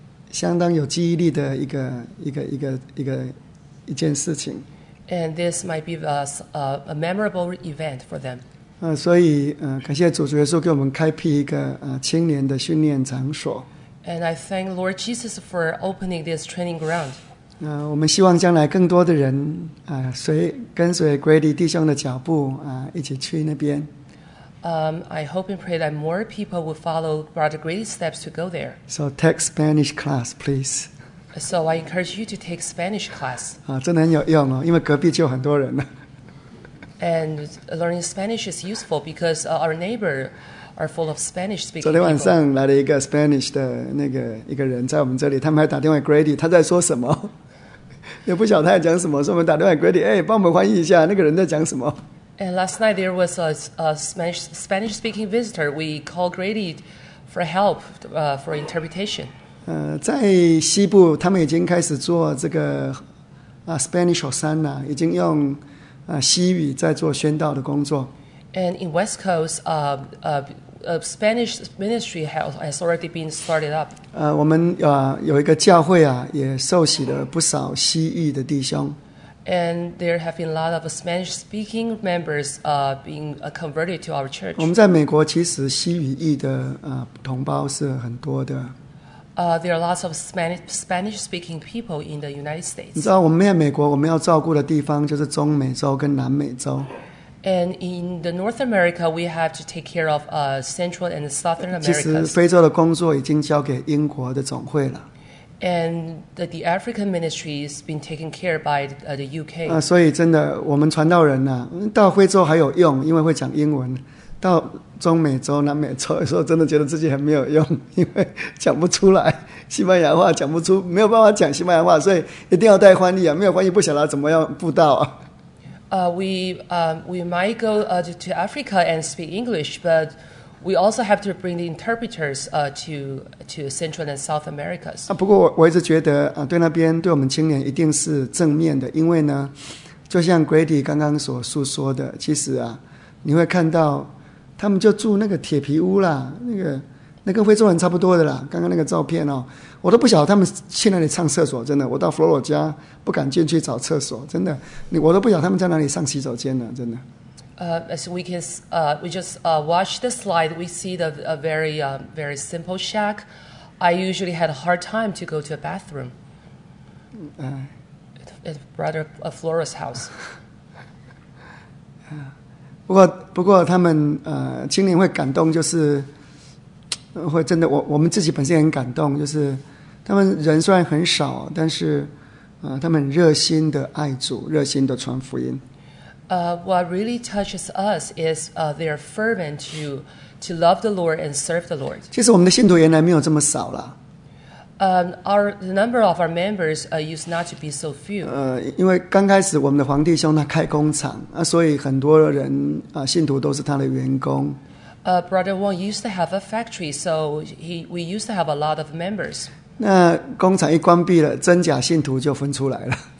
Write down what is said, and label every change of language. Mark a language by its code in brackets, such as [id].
[zh] 相当有记忆力的一件事情。 [en] And this might be a memorable event for them. [zh] 所以感谢主耶稣给我们开辟一个青年的训练场所。 [en] And I thank Lord Jesus for opening this training ground. [zh] 我们希望将来更多的人跟随 Grady 弟兄的脚步一起去那边。 [en] I hope and pray that more people will follow Brother Grady's steps to go there. So take Spanish class, please. So I encourage you to take Spanish class. [zh] 真的很有用哦，因为隔壁就有很多人了。 [en] And learning Spanish is useful because our neighbor are full of Spanish speaking [zh] people. 昨天晚上来了一个 Spanish 的那个一个人在我们这里，他们还打电话 Grady， 他在说什么？也不晓得他在讲什么，所以我们打电话 Grady， 哎，帮我们翻译一下那个人在讲什么。 [en] And last night there was a Spanish-speaking visitor. We called Grady for help for interpretation. [zh] 在西部，他们已经开始做这个Spanish Hosanna， 已经用西语在做宣道的工作。 [en] And in West Coast, Spanish ministry has already been started up. [zh] 我们有一个教会也受洗了不少西域的弟兄。 [en] And there have been a lot of Spanish-speaking members being converted to our church. [zh] 我们在美国其实西语裔的同胞是很多的。 [en] There are lots of Spanish-speaking people in the United States. [zh] 你知道我们在美国，我们要照顾的地方就是中美洲跟南美洲。 [en] And in the North America, we have to take care of Central and Southern America. [zh] 其实非洲的工作已经交给英国的总会了。 [en] And the African ministry has been taken care by the UK. [zh] 所以真的，我们传道人到非洲还有用，因为会讲英文；到中美洲、南美洲，有时候真的觉得自己很没有用，因为讲不出来西班牙话，讲不出，没有办法讲西班牙话，所以一定要带翻译啊！没有翻译，不晓得怎么样布道啊。 [en] We might go to Africa and speak English, but We also have to bring the interpreters to Central and South America. [zh] 不过 我一直觉得对那边对我们青年一定是正面的，因为呢，就像 Grady 刚刚所述说的，其实你会看到他们就住那个铁皮屋啦，那跟非洲人差不多的啦。刚刚那个照片哦，我都不晓得他们去那里上厕所，真的，我到佛罗里达不敢进去找厕所，真的，我都不晓得他们在哪里上洗手间呢，真的。 [en] As we can, we just watch the slide. We see the a very very simple shack. I usually had a hard time to go to a bathroom. At brother Flora's house. [zh] 不过他们青年会感动，就是会真的，我们自己本身也很感动，就是他们人虽然很少，但是他们热心的爱主，热心的传福音。 [en] What really touches us is they are fervent to love the Lord and serve the Lord. [zh] 其实我们的信徒原来没有这么少了。 [en] The number of our members used not to be so few. [zh] 因为刚开始我们的黄弟兄他开工厂，所以很多人信徒都是他的员工。 [en] Brother Wong used to have a factory, so we used to have a lot of members. [zh] 那工厂一关闭了，真假信徒就分出来了。